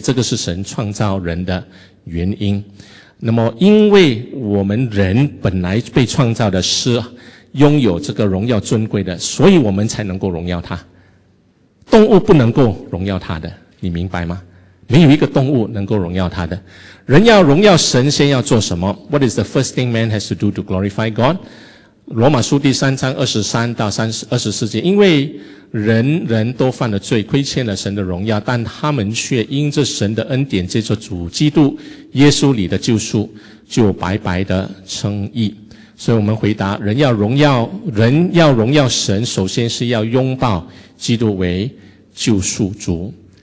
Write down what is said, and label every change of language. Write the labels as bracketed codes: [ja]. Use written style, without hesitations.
[zh] 这个是神创造人的原因。那么因为我们人本来被创造的是拥有这个荣耀尊贵的，所以我们才能够荣耀他。动物不能够荣耀他的，你明白吗？没有一个动物能够荣耀他的。人要荣耀神先要做什么？ [en] What is the first thing man has to do to glorify God? [zh] 罗马书第三章23到24节，因为人人都犯了罪，亏欠了神的荣耀，但他们却因着神的恩典，借着主基督耶稣里的救赎，就白白的称义。所以我们回答，人要荣耀神，首先是要拥抱基督为救赎主。